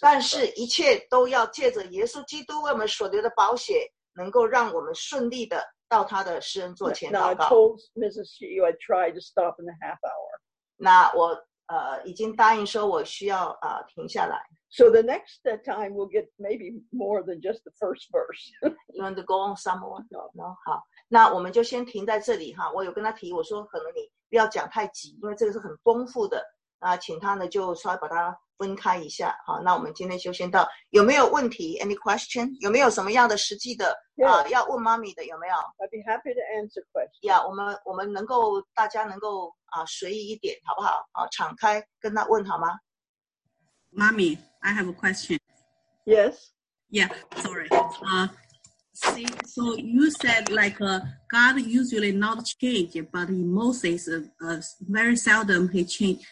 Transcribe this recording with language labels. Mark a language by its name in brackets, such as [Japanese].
[Chinese] 但是一切都要借着耶稣基督为我们所流的宝血，能够让我们顺利的到他的施恩座前祷告。 [English] Now I told Mrs. Hugh I tried to stop in a half hour. [Chinese] 那我已经答应说我需要停下来。 [English] So the next time we'll get maybe more than just the first verse. You want to go on some more? No. [Chinese] 好，那我们就先停在这里哈。我有跟他提，我说可能你不要讲太急，因为这个是很丰富的。那请他呢就稍微把它。分开一下，好，那我们今天就先到。有没有问题 ？ [English] Any question？ [Chinese] 有没有什么样的实际的啊、 [English] yes. [Chinese] 要问妈咪的？有没有 [English] ？I'd be happy to answer questions. [Chinese] 呀、 [English] yeah, [Chinese] ，我们能够大家能够啊随意一点，好不好？啊，敞开跟他问好吗？ [English] 妈咪 ，I have a question. Yes. Yeah. Sorry. See, so you said like God usually not change, but in Moses, very seldom he change.